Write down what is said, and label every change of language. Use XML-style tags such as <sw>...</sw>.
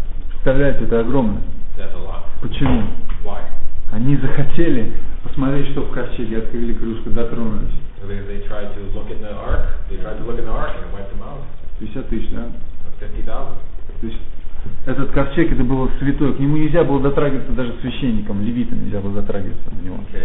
<ru>Представляете, это огромно.</ru> <en>That's a lot.</en> <ru>Почему?</ru> <en>Why?</en> <ru>Они захотели посмотреть, что в ковчеге, открыли крышку, дотронулись.</ru> <en>They tried to look in the ark. They tried to look in the ark and wiped them out.</en> <ru>50 тысяч, да?</ru> <en>50,000.</en> <ru>Этот ковчег, это было святое, к нему нельзя было дотрагиваться даже священникам, левитам нельзя было дотрагиваться на него.</ru>